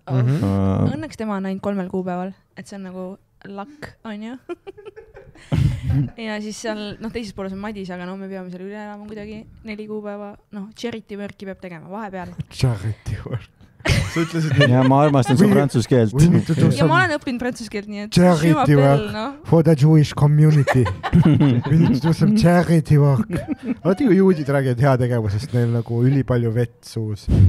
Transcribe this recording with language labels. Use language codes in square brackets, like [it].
[et] Õnneks tema on ainult kolmel kuupäeval, et see on nagu luck, on ju. Ja siis seal, noh, teises pooles on Madis, aga noh, me peame seal üle elama kuidagi neli kuupäeva. Noh, charity worki peab tegema vahepeal. [en] Charity work. [et] Sa ütlesid, et... Ja ma armastan su prantsuskeelt. Ja ma olen õppinud prantsuskeelt, nii et... [en] Charity work for the Jewish community. We need to do some charity work. [et] Vaati, kui juudid räägivad hea tegevusest, neil nagu üli palju vett suus.